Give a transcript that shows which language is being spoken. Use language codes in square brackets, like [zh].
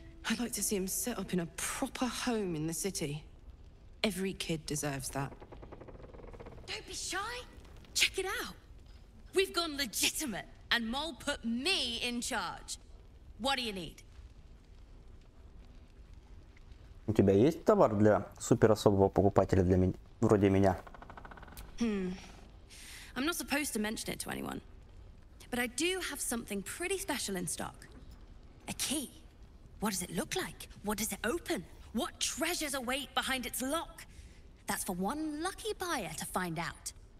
[en] I'd like to see him set up in a proper home in the city. Every kid deserves that. Don't be shy. Check it out. We've gone legitimate, and Mole put me in charge. What do you need? [ru] У тебя есть товар для супер особого покупателя для вроде меня? [en] I'm not supposed to mention it to anyone. But I do have something pretty special in stock. A key. What does it look like? What does it open? What treasures await behind its lock? That's for one lucky buyer to find out.